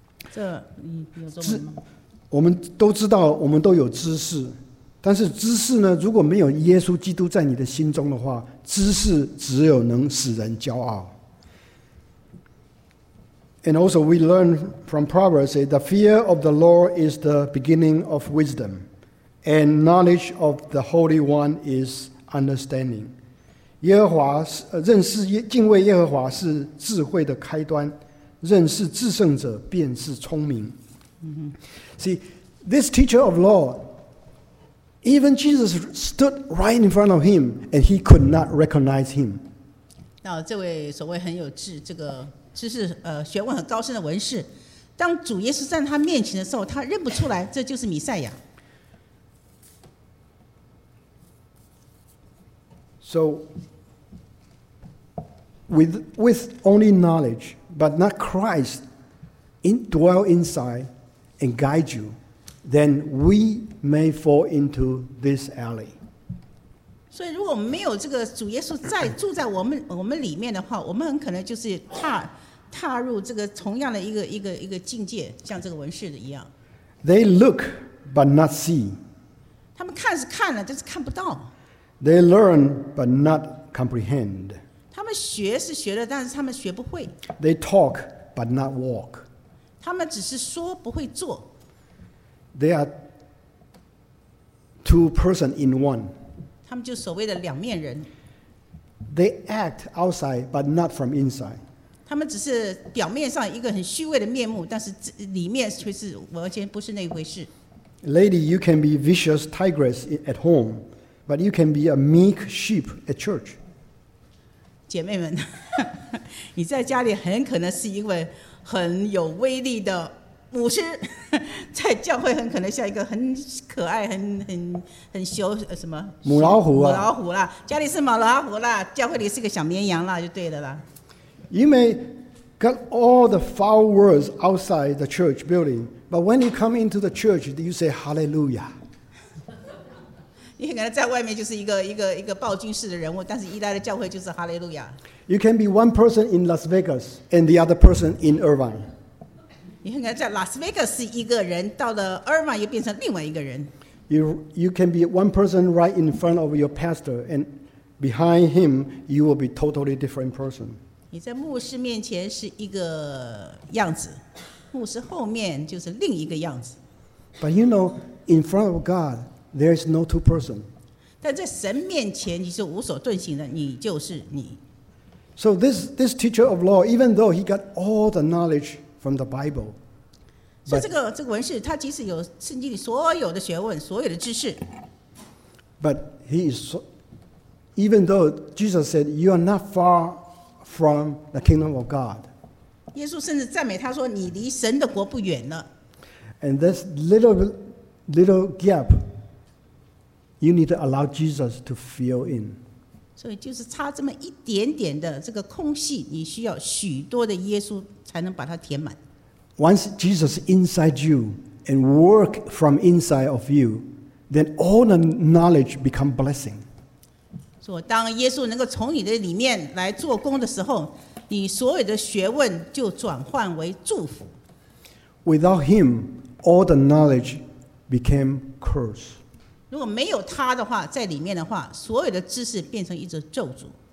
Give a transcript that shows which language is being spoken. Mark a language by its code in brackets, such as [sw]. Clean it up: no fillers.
[zh] 这你有中文吗？我们都知道，我们都有知识。但是知识呢，如果没有耶稣基督在你的心中的话，知识只有能使人骄傲。 [en] And also we learn from Proverbs that the fear of the Lord is the beginning of wisdom, and knowledge of the Holy One is understanding. [zh] 耶和华，认识，敬畏耶和华是智慧的开端，认识至圣者便是聪明。 [en] See, this teacher of law,Even Jesus stood right in front of him, and he could not recognize him. [zh] 那这位所谓很有智，这个知识学问很高深的文士，当主耶稣站在他面前的时候，他认不出来，这就是弥赛亚。 [en] So, with only knowledge, but not Christ dwell inside and guide you, then we may fall into this alley. [zh] 所以如果没有这个主耶稣在住在我们里面的话，我们很可能就是踏入这个同样的一个境界，像这个文士的一样。 [en] They look but not see. [zh] 他们看是看了，但是看不到。 [en] They learn but not comprehend. [zh] 他们学是学了，但是他们学不会。 [en] They talk but not walk. [zh] 他们只是说不会做。 [en] They are two persons in one. [zh] 他们就所谓的两面人。 [en] They act outside, but not from inside. [zh] 他们只是表面上一个很虚伪的面目，但是里面却是完全不是那一回事。 [en] Lady, you can be vicious tigress at home, but you can be a meek sheep at church. [zh] 姐妹们，你在家里很可能是一位很有威力的牧师，在教会很可能像一个很可爱、很羞什么母老虎啊，母老虎啦，家里是母老虎啦，教会里是个小绵羊啦，就对了啦。 [en] You may get all the foul words outside the church building, but when you come into the church, you say hallelujah. [zh] 你可能在外面就是一个暴君式的人物，但是一来到教会就是 hallelujah. [en] You can be one person in Las Vegas and the other person in Irvine. [zh] 你看看，在拉斯维加斯一个人，到了埃尔曼又变成另外一个人。 [en] You can be one person right in front of your pastor, and behind him you will be totally different person. [zh] 你在牧师面前是一个样子，牧师后面就是另一个样子。 [en] But you know, in front of God, there is no two person. [zh] 但在神面前你是无所遁形的，你就是你。 [en] So this teacher of law, even though he got all the knowledge. From the Bible. [zh] 所以这个文士，他即使有圣经里所有的学问、所有的知识 [en] ，But he is so, even though Jesus said you are not far from the kingdom of God. [zh] 耶稣甚至赞美他说：“你离神的国不远了。” [en] And this little gap, you need to allow Jesus to fill in. [zh] 所以就是差这么一点点的这个空隙，你需要许多的耶稣。才能把它填满。 [en] Once Jesus inside you and work from inside of you, then all the knowledge become blessing. [zh] 所以当耶稣能够从你的里面来做工的时候，你所有的学问就转换为祝福。 [en] Without him, all the knowledge became curse. [zh] 如果没有他的话，在里面的话，所有的知识变成一种咒诅。